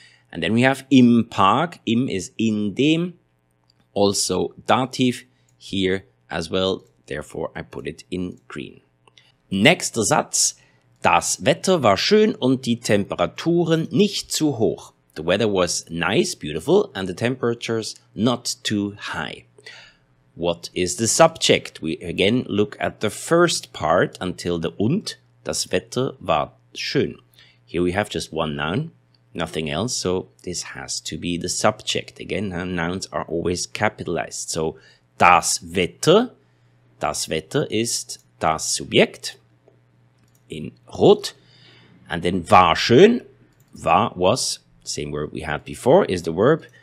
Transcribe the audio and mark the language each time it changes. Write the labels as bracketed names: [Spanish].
[English] And then we have im Park. Im is in dem, also Dativ here as well. Therefore I put it in green. [German] Nächster Satz. Das Wetter war schön und die Temperaturen nicht zu hoch. [English] The weather was nice, beautiful, and the temperatures not too high. What is the subject? We again look at the first part until the und. [German] Das Wetter war schön. [English] Here we have just one noun, nothing else. So this has to be the subject. Again, nouns are always capitalized. [German] So das Wetter ist das Subjekt in rot. [English] And then war schön, war, was, same word we had before, is the verb.